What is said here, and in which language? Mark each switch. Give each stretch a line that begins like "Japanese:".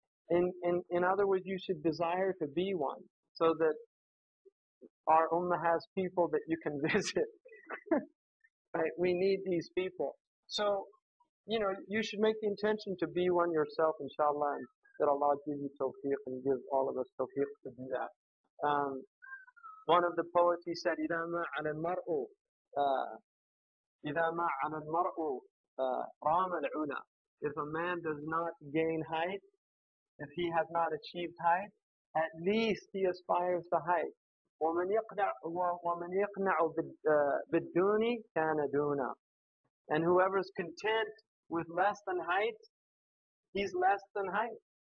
English: In other words, you should desire to be one, so that our ummah has people that you can visit. Right? We need these people. So, you know, you should make the intention to be one yourself, inshallah, and that Allah give you tawfiq and give all of us tawfiq to do that. One of the poets, he said,
Arabic: إِذَا مَا عَلَى الْمَرْءُ إِذَا مَا عَلَى الْمَرْءُ رَامَ الْعُنَى.
English: If a man does not gain height, if he has not achieved height, at least he aspires to height.
Arabic: وَمَنْ يَقْنَعُ بِالدُّونِ كَانَ دُونَ.
English: And whoever's content with less than height, he's less than height.